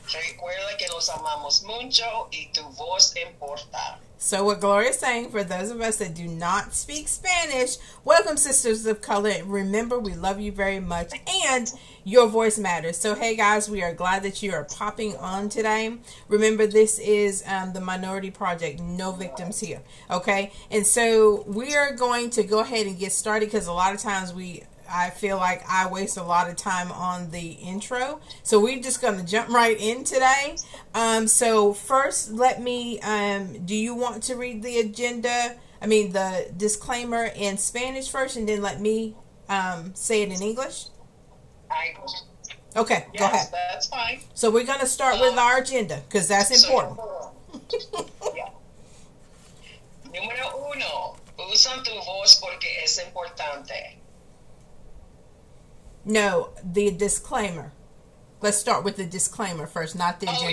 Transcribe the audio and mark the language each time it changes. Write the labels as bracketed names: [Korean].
[Spanish] Recuerda que los amamos mucho y tu voz importa. [English] So what Gloria is saying, for those of us that do not speak Spanish, welcome, sisters of color. Remember, we love you very much, and your voice matters. So, hey, guys, we are glad that you are popping on today. Remember, this is the Minority Project, no victims here, okay? And so we are going to go ahead and get started because a lot of times I feel like I waste a lot of time on the intro. So we're just going to jump right in today. So first, let me, do you want to read the disclaimer in Spanish first, and then let me say it in English? Okay, yes, go ahead. That's fine. So we're going to start with our agenda because that's important. Yeah. [Spanish] Número uno, usan tu voz porque es importante. [English] No, the disclaimer. Let's start with the disclaimer first, not the agenda.